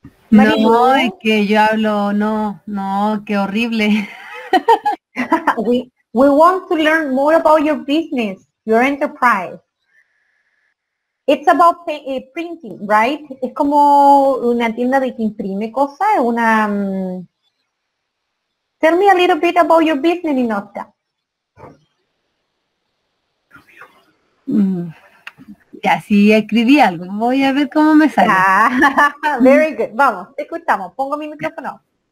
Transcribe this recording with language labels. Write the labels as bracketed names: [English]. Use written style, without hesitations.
[Spanish] No, es que yo hablo, no, qué horrible. [English] We want to learn more about your business, your enterprise. It's about printing, right? [Spanish] Es como una tienda de que imprime cosas, una... [English] Tell me a little bit about your business, Inosca. [Spanish] Ya, sí, escribí algo. Voy a ver cómo me sale. [English] Ah, very good. [Spanish] Vamos, escuchamos. Pongo mi micrófono.